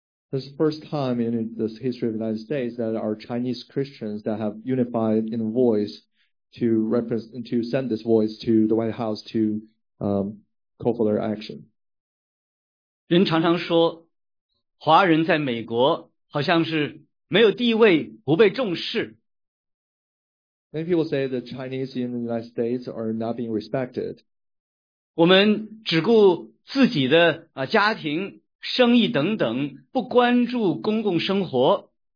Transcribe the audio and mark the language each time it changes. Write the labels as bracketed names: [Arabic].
[English] This is the first time in the history of the United States that our Chinese Christians that have unified in voice to represent to send this voice to the White House to call for their action. [Chinese] 人常常说，华人在美国好像是没有地位，不被重视。 [English] Many people say the Chinese in the United States are not being respected. [Chinese] 我们只顾自己的家庭、生意等等，不关注公共生活。